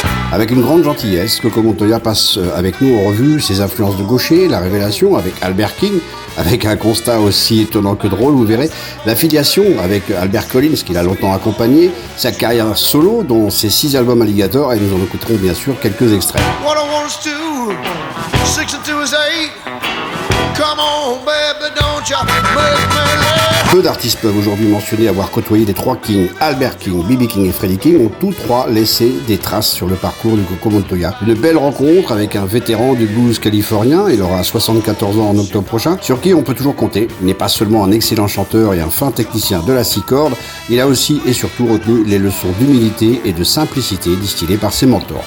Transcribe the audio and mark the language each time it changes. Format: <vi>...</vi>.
<fr>Avec une grande gentillesse, Coco Montoya passe avec nous en revue ses influences de gaucher, la révélation avec Albert King, avec un constat aussi étonnant que drôle, vous verrez, l'affiliation avec Albert Collins, qui l'a longtemps accompagné, sa carrière solo, dont ses 6 albums Alligator, et nous en écouterons bien sûr quelques extraits.</fr> <en>What I want is 2, 6 and 2 is 8, come on baby, don't you make me laugh.</en> <fr>Peu d'artistes peuvent aujourd'hui mentionner avoir côtoyé les trois Kings. Albert King, B.B. King et Freddie King ont tous trois laissé des traces sur le parcours de Coco Montoya. Une belle rencontre avec un vétéran du blues californien, il aura 74 ans en octobre prochain, sur qui on peut toujours compter. Il n'est pas seulement un excellent chanteur et un fin technicien de la six cordes, il a aussi et surtout retenu les leçons d'humilité et de simplicité distillées par ses mentors.</fr>